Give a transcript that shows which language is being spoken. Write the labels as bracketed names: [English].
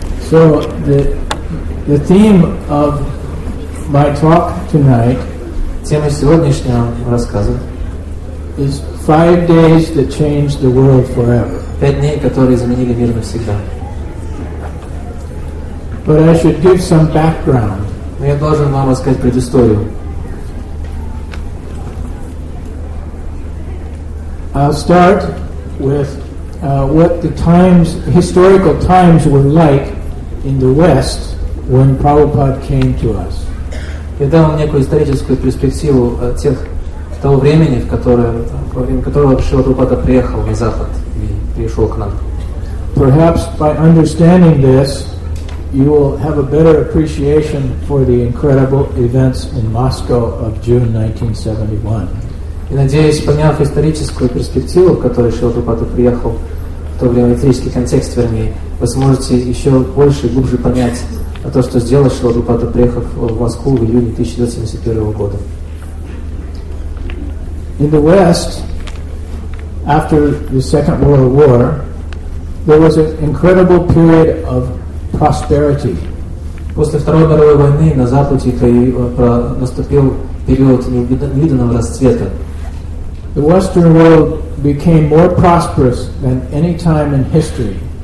[English] So the theme of my talk tonight, [Russian] тема сегодняшнего рассказа, [English] is 5 days that changed the world forever. [Russian] 5 дней, которые изменили мир навсегда. [English] But I should give some background. [Russian] Но я должен вам рассказать предысторию. [English] I'll start with what the times, historical times were like in the West when Prabhupada came to us. [Russian] Я дам вам некую историческую перспективу того времени, в которое Шрила Прабхупада приехал на Запад и пришел к нам. [English] Perhaps by understanding this, you will have a better appreciation for the incredible events in Moscow of June 1971. [Russian] И надеюсь, поняв историческую перспективу, в которой Шрила Прабхупада приехал, в то время исторический контекст, вернее, вы сможете еще больше и глубже понять о том, что сделал Шрила Прабхупада, приехав в Москву в июне 1971 года. [English] In the West, after the Second World War, there was an incredible period of prosperity. [Russian] После Второй мировой войны на Западе наступил период невиданного расцвета. [English] The Western world became more prosperous than any time in history.